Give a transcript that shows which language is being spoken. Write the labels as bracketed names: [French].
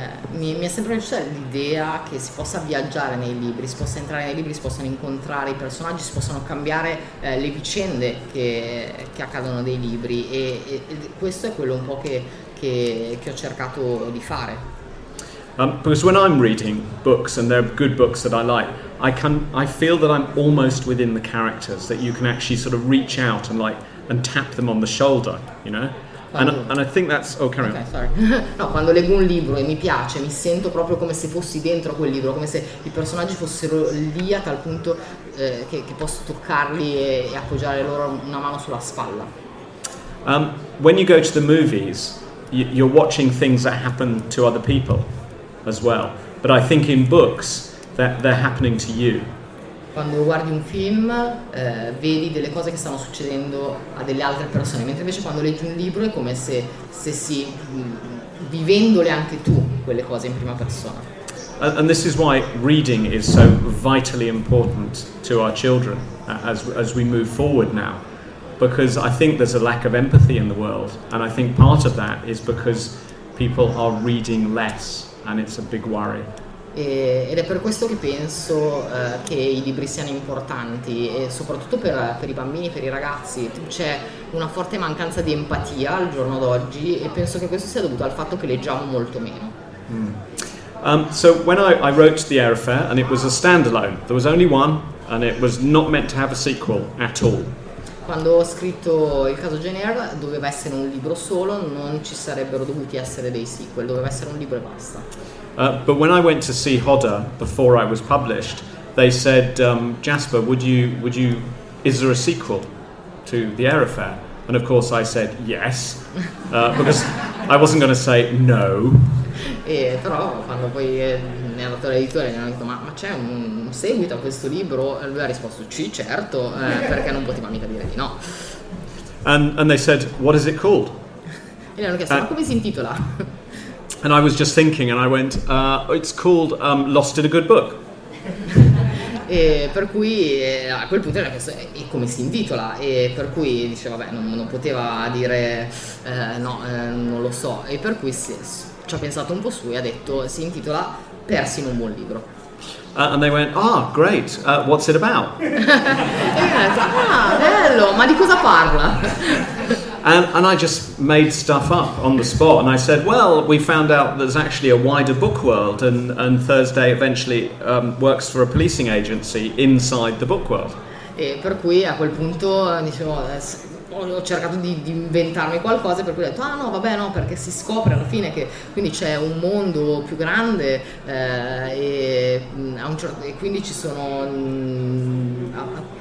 [Italian] Mi è sempre piaciuta l'idea che si possa viaggiare nei libri, si possa entrare nei libri, si possano incontrare i personaggi, si possano cambiare le vicende che accadono nei libri, e questo è quello un po' che ho cercato di fare. [English] Because when I'm reading books and they're good books that I like, I feel that I'm almost within the characters, that you can actually sort of reach out and like and tap them on the shoulder, you know? And I think that's oh, carry okay, on. Sorry. [Italian] No, quando leggo un libro e mi piace, mi sento proprio come se fossi dentro quel libro, come se i personaggi fossero lì a tal punto che posso toccarli e appoggiare loro una mano sulla spalla. [English] When you go to the movies, you're watching things that happen to other people as well, but I think in books that they're happening to you. [Italian] Quando guardi un film vedi delle cose che stanno succedendo a delle altre persone, mentre invece quando leggi un libro è come se si vivendole anche tu quelle cose in prima persona. [English] And this is why reading is so vitally important to our children as we move forward now, because I think there's a lack of empathy in the world, and I think part of that is because people are reading less, and it's a big worry. [Italian] Ed è per questo che penso che i libri siano importanti, e soprattutto per i bambini, per i ragazzi. C'è una forte mancanza di empatia al giorno d'oggi, e penso che questo sia dovuto al fatto che leggiamo molto meno. [English] So when I wrote The Air Affair, and it was a standalone, there was only one, and it was not meant to have a sequel at all. [Italian] Quando ho scritto Il caso Jenner doveva essere un libro solo, non ci sarebbero dovuti essere dei sequel, doveva essere un libro e basta. [English] But when I went to see Hodder before I was published, they said, Jasper, would you? Is there a sequel to The Air Affair? And of course I said yes, because I wasn't going to say no. [Italian] Però quando poi mi ha dato l'editore, mi ha detto ma c'è un seguito a questo libro? E lui ha risposto sì, certo, perché non poteva mica dire di no. [English] And they said, what is it called? [Italian] E gli hanno chiesto, ma come si intitola? [English] And I was just thinking, and I went, it's called Lost in a Good Book. [Italian] E per cui a quel punto era questo, e come si intitola? E per cui diceva, vabbè, non poteva dire no, non lo so. E per cui ci ha pensato un po' su e ha detto, si intitola Persi in un buon libro. [English] And they went, ah, great, what's it about? [Italian] E ha detto, ah, bello, ma di cosa parla? [English] And I just made stuff up on the spot, and I said, well, we found out there's actually a wider book world, and Thursday eventually works for a policing agency inside the book world. [Italian] E per cui a quel punto dicevo, ho cercato di inventarmi qualcosa, per cui ho detto, ah no, vabbè no, perché si scopre alla fine che quindi c'è un mondo più grande, e quindi ci sono...